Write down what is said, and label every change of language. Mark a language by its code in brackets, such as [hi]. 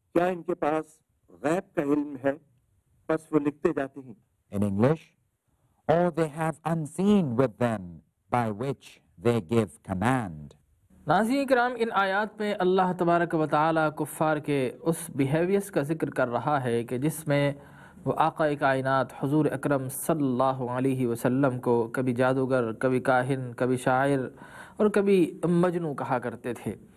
[ur] کیا ان کے پاس غیب کا علم ہے بس وہ لکھتے جاتے ہیں؟ [en] In English, or they have unseen with them by which they give command. [ur] ناظرین کرام, ان آیات میں اللہ تبارک و تعالی کفار کے اس بیہیویئرس کا ذکر کر رہا ہے کہ جس میں وہ آقا کائنات حضور اکرم صلی اللہ علیہ وسلم کو کبھی جادوگر, کبھی کاہن, کبھی شاعر اور کبھی مجنوں کہا کرتے تھے.